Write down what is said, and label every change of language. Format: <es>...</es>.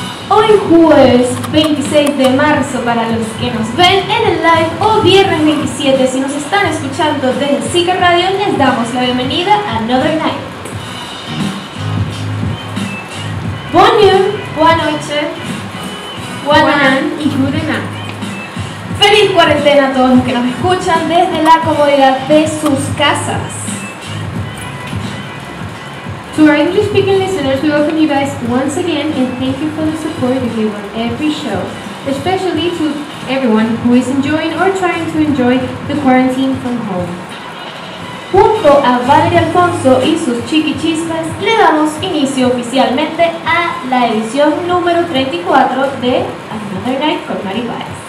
<es>Hoy jueves 26 de marzo para los que nos ven en el live o viernes 27 si nos están escuchando desde Sica Radio, les damos la bienvenida a Another Night.</es> <fr>Bonjour,</fr> <es>buena noche,</es> <en>y good night.</en> <es>Feliz cuarentena a todos los que nos escuchan desde la comodidad de sus casas.</es> <en>To our English-speaking listeners, we welcome you guys once again and thank you for the support you give on every show, especially to everyone who is enjoying or trying to enjoy the quarantine from home.</en> <es>Junto a Valeria Alfonso y sus chiquichispas, le damos inicio oficialmente a la edición número 34 de Another Night con Mari Páez.</es>